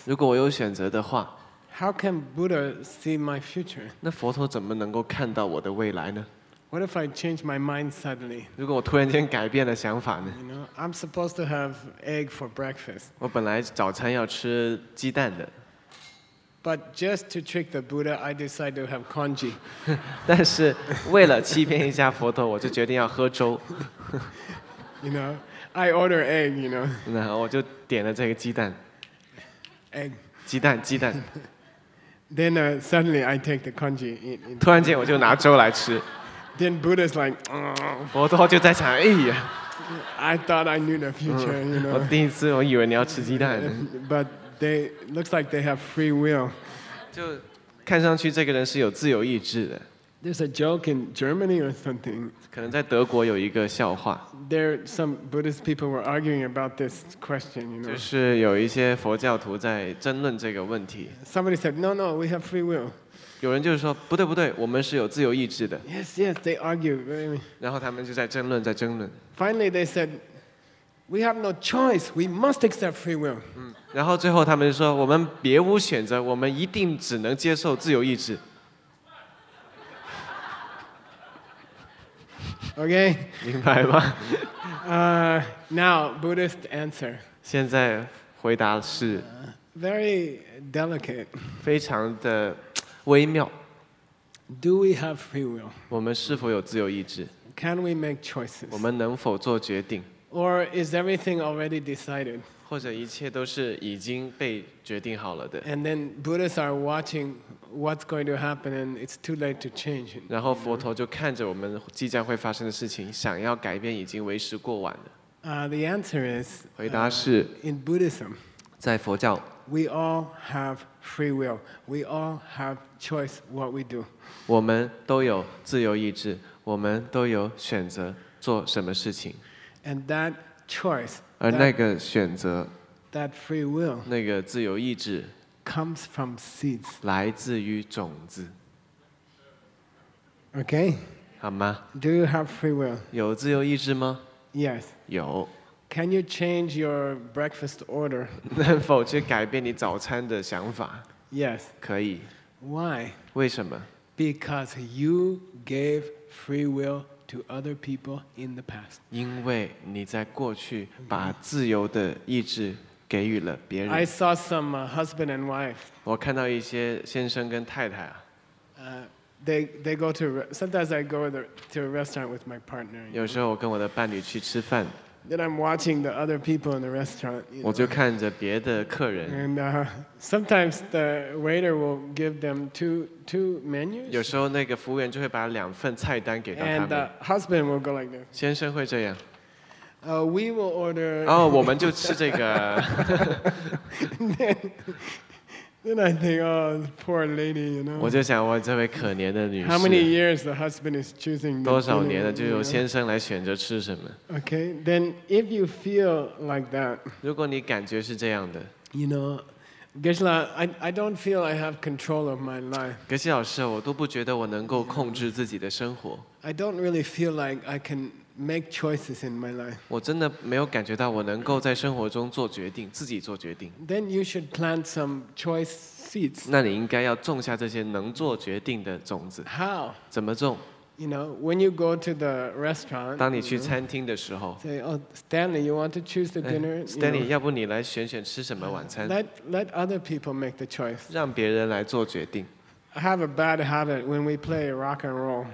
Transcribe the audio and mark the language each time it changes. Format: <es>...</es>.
<zh>如果我有选择的话，</zh> <en>How can Buddha see my future?</en> <zh>那佛陀怎么能够看到我的未来呢？</zh> <en>What if I change my mind suddenly?</en> <zh>如果我突然间改变了想法呢？</zh> <en>I'm supposed to have egg for breakfast.</en> <zh>我本来早餐要吃鸡蛋的。</zh> <en>But just to trick the Buddha, I decide to have congee.</en> <zh>但是为了欺骗一下佛陀，我就决定要喝粥。</zh> <en>You know, I order egg. You know.</en> <zh>然后我就点了这个鸡蛋。</zh> <en>Egg.</en> <zh>鸡蛋。</zh> <en>Then suddenly I take the congee. In</en> <zh>突然间我就拿粥来吃。</zh> <en>Then Buddha's like.</en> <zh>佛陀就在想，哎呀。</zh> <en>I thought I knew the future, you know.</en> <zh>我第一次我以为你要吃鸡蛋。</zh> <en>But they looks like they have free will.</en> <zh>就看上去这个人是有自由意志的。</zh> <en>There's a joke in Germany or something.</en> <zh>可能在德国有一个笑话。</zh> <en>There some Buddhist people were arguing about this question, you know.</en> <zh>就是有一些佛教徒在争论这个问题。</zh> <en>Somebody said, No, we have free will.</en> <zh>有人就是说，不对，我们是有自由意志的。</zh> <en>Yes, they argue.</en> <zh>然后他们就在争论。</zh> <en>Finally, they said, We have no choice. We must accept free will.</en> <zh>然后最后他们说，我们别无选择，我们一定只能接受自由意志。</zh> <en>Okay.</en> <zh>明白吗？</zh> <en>Now Buddhist answer.</en> <zh>现在回答是。</zh> <en>Very delicate.</en> <zh>非常的微妙。</zh> <en>Do we have free will?</en> <zh>我们是否有自由意志？</zh> <en>Can we make choices?</en> <zh>我们能否做决定？</zh> <en>Or is everything already decided?</en> <zh>或者一切都是已经被决定好了的。</zh> <en>And then Buddhists are watching what's going to happen and it's too late to change.</en> <zh>然后佛陀就看着我们即将会发生的事情，想要改变已经为时过晚了。</zh> <en>The answer is,</en> <zh>回答是</zh> <en>in Buddhism,</en> <zh>在佛教，</zh> <en>we all have free will. We all have choice what we do.</en> <zh>我们都有自由意志，我们都有选择做什么事情。</zh> <en>And that choice,</en> <zh>而那个选择，</zh> <en>that free will,</en> <zh>那个自由意志，</zh> <en>comes from seeds,</en> <zh>来自于种子。</zh> <en>Okay,</en> <zh>好吗？</zh> <en>Do you have free will?</en> <zh>有自由意志吗？</zh> <en>Yes,</en> <zh>有。</zh> <en>Can you change your breakfast order?</en> <zh>能否去改变你早餐的想法？</zh> <en>Yes,</en> <zh>可以。</zh> <en>Why?</en> <zh>为什么？</zh> <en>Because you gave free will to other people in the past.</en> <zh>因为你在过去把自由的意志给予了别人。</zh> <en>I saw some husband and wife.</en> <zh>我看到一些先生跟太太啊。</zh> <en>They go to sometimes I go to a restaurant with my partner.</en> <zh>有时候我跟我的伴侣去吃饭。</zh> <en>Then I'm watching the other people in the restaurant.</en> <zh>我就看着别的客人。</zh> <en>And sometimes the waiter will give them two menus.</en> <zh>有时候那个服务员就会把两份菜单给到他们。</zh> <en>And the husband will go like this.</en> <zh>先生会这样。</zh> <en>We will order.</en> <zh>哦，我们就吃这个。</zh> <en>Then I think, oh, poor lady, you know.</en> <zh>我就想，我这位可怜的女士。</zh> <en>How many years the husband is choosing?</en> <zh>多少年了，就由先生来选择吃什么</zh> <en>？Okay, then if you feel like that,</en> <zh>如果你感觉是这样的</zh> <en>，you know, Geshe-la, I don't feel I have control of my life.</en> <zh>Geshe老师，我都不觉得我能够控制自己的生活。</zh> <en>I don't really feel like I can make choices in my life.</en> <zh>我真的没有感觉到我能够在生活中做决定，自己做决定。</zh> <en>Then you should plant some choice seeds.</en> <zh>那你应该要种下这些能做决定的种子。</zh> <en>How?</en> <zh>怎么种？</zh> <en>You know, when you go to the restaurant,</en> <zh>当你去餐厅的时候，</zh> <en>say, oh, Stanley, you want to choose the dinner?</en> <zh>Stanley, 要不你来选选吃什么晚餐？</zh> <en>Let other people make the choice.</en> <zh>让别人来做决定。</zh> <en>I have a bad habit when we play rock and roll.</en>